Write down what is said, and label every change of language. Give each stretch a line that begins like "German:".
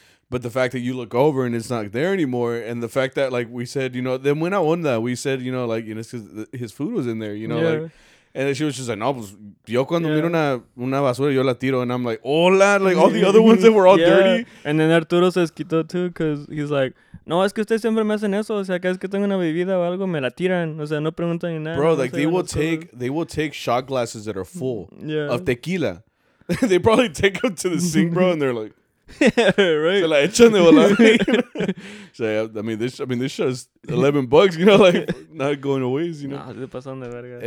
English: But the fact that you look over and it's not there anymore, and the fact that, like, we said, you know, then when I won that, we said, you know, like, you know, because his food was in there, you know, like, and then she was just like,
Spanish: no, pues, yo cuando miro una basura, yo la tiro,
English: and I'm like, hola, like, all the other ones that were all dirty. And then
Spanish: Arturo se esquitó
English: too, because he's like,
Spanish: no, es que ustedes siempre me hacen eso. O sea, cada vez que tengo una bebida o algo, me la tiran. O sea, no preguntan ni nada.
English: Bro, like, they will take shot glasses that are full of tequila. They probably take them to the sink, bro, and they're like, right. So, like,
Spanish: échanle, bolá.
English: I mean, this shows 11 bucks, you know, like, not going to waste, you know.
Spanish: Nah, se pasan de verga.